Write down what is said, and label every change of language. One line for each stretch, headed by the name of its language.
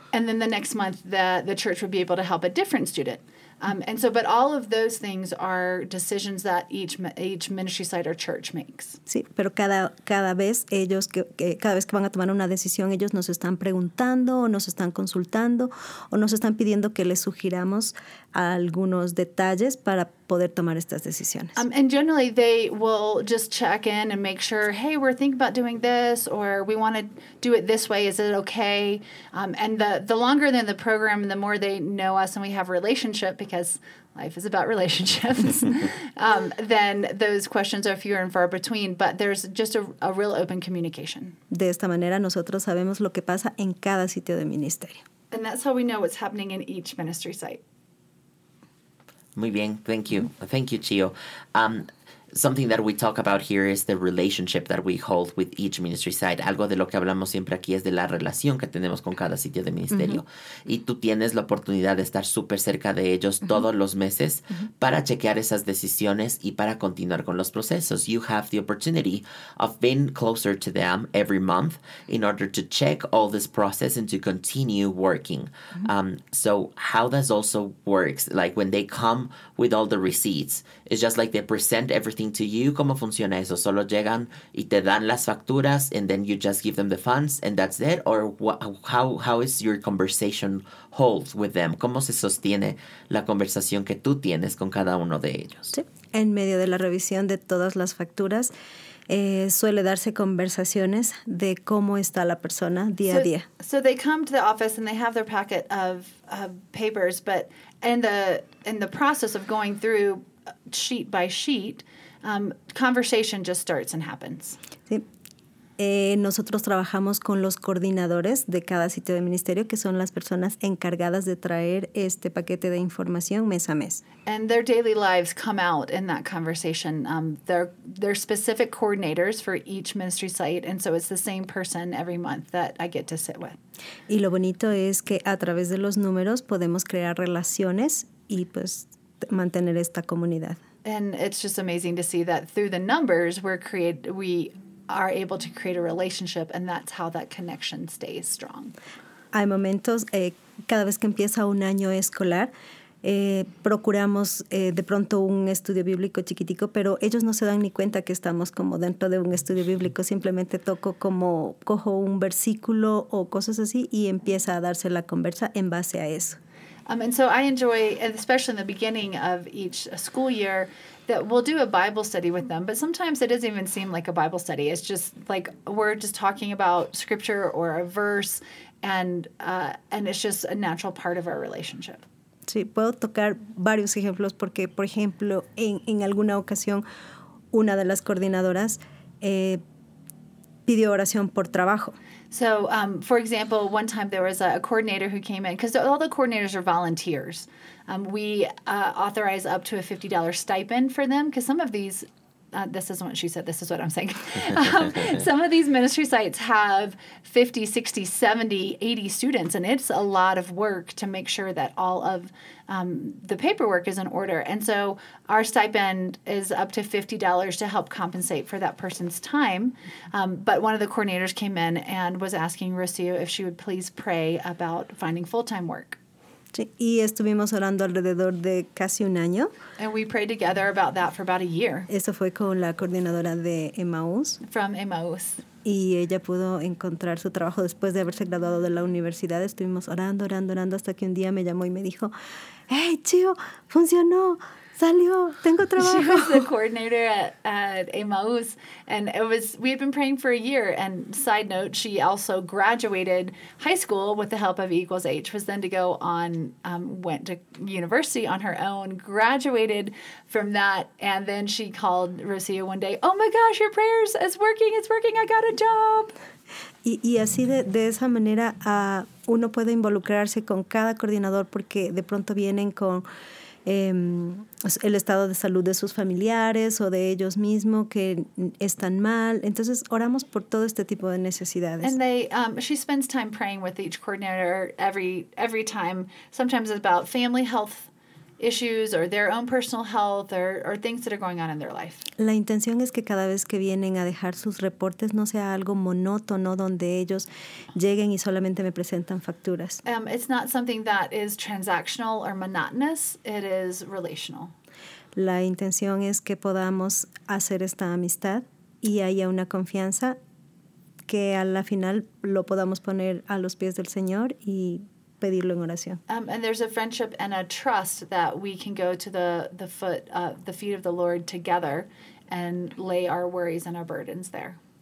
English: And then the next month, the church would be able to help a different student. And so, but all of those things are decisions that each ministry site or church makes.
Spanish: Sí, pero cada vez ellos cada vez que van a tomar una decisión, ellos nos están preguntando o nos están consultando o nos están pidiendo que les sugiramos algunos detalles para poder tomar estas decisiones.
English: And generally they will just check in and make sure, hey, we're thinking about doing this or we want to do it this way. Is it okay? And the longer they're in the program, the more they know us and we have a relationship because life is about relationships, then those questions are fewer and far between. But there's just a real open communication.
Spanish: De esta manera nosotros sabemos lo que pasa en cada sitio de ministerio.
English: And that's how we know what's happening in each ministry site.
Spanish: Muy bien,
English: thank you. Thank you, Chio. Something that we talk about here is the relationship that we hold with each ministry site.
Spanish: Algo de lo que hablamos siempre aquí es de la relación que tenemos con cada sitio de ministerio. Mm-hmm. Y tú tienes la oportunidad de estar súper cerca de ellos mm-hmm. todos los meses mm-hmm. para chequear esas decisiones y para continuar con los procesos.
English: You have the opportunity of being closer to them every month in order to check all this process and to continue working. Mm-hmm. So how this also works, like when they come with all the receipts, it's just like they present everything to you.
Spanish: ¿Cómo funciona eso? ¿Solo llegan y te dan las facturas
English: and then you just give them the funds and that's it? Or how is your conversation hold with them?
Spanish: ¿Cómo se sostiene la conversación que tú tienes con cada uno de ellos? Sí. En medio de la revisión de todas las facturas, suele darse conversaciones de cómo está la persona día a día.
English: So they come to the office and they have their packet of papers, but in the process of going through sheet by sheet, conversation just starts and happens.
Spanish: Sí. Nosotros trabajamos con los coordinadores de cada sitio de ministerio, que son las personas encargadas de traer este paquete de información mes a mes.
English: And their daily lives come out in that conversation. They're specific coordinators for each ministry site, and so it's the same person every month that I get to sit with.
Spanish: Y lo bonito es que a través de los números podemos crear relaciones y pues mantener esta comunidad.
English: And it's just amazing to see that through the numbers we are able to create a relationship, and that's how that connection stays strong.
Spanish: Hay momentos, cada vez que empieza un año escolar, procuramos de pronto un estudio bíblico chiquitico, pero ellos no se dan ni cuenta que estamos como dentro de un estudio bíblico. Simplemente toco como cojo un versículo o cosas así y empieza a darse la conversa en base a eso.
English: And so I enjoy, especially in the beginning of each school year, that we'll do a Bible study with them. But sometimes it doesn't even seem like a Bible study. It's just like we're just talking about scripture or a verse, and it's just a natural part of our relationship.
Spanish: Sí, puedo tocar varios ejemplos porque, por ejemplo, en alguna ocasión, una de las coordinadoras pidió oración por trabajo.
English: So, for example, one time there was a coordinator who came in, because all the coordinators are volunteers. We authorize up to a $50 stipend for them, because some of these, this isn't what she said, this is what I'm saying. some of these ministry sites have 50, 60, 70, 80 students, and it's a lot of work to make sure that all of the paperwork is in order. And so our stipend is up to $50 to help compensate for that person's time. But one of the coordinators came in and was asking Rocio if she would please pray about finding full-time work.
Spanish: Sí, y estuvimos orando alrededor de casi un año.
English: And we prayed together about that for about a year.
Spanish: Eso fue con la coordinadora de Emmaus.
English: From Emmaus.
Spanish: Y ella pudo encontrar su trabajo después de haberse graduado de la universidad. Estuvimos orando, orando, orando, hasta que un día me llamó y me dijo, hey, Chio, funcionó, salió, tengo trabajo.
English: She was the coordinator at Emmaus, and we had been praying for a year, and side note, she also graduated high school with the help of E=H, was then to go on, went to university on her own, graduated from that, and then she called Rocio one day, oh my gosh, your prayers is working, it's working, I got a job.
Spanish: Y así de esa manera uno puede involucrarse con cada coordinador porque de pronto vienen con el estado de salud de sus familiares o de ellos mismos que están mal. Entonces oramos por todo este tipo de necesidades.
English: And she spends time praying with each coordinator every time. Sometimes it's about family health issues or their own personal health or things that are going on in their life.
Spanish: La intención es que cada vez que vienen a dejar sus reportes no sea algo monótono donde ellos lleguen y solamente me presentan facturas.
English: It's not something that is transactional or monotonous. It is relational.
Spanish: La intención es que podamos hacer esta amistad y haya una confianza que a la final lo podamos poner a los pies del Señor y pedirlo en oración.
English: And there's a friendship and a trust that we can go to the feet of the Lord together and lay our worries and our burdens there.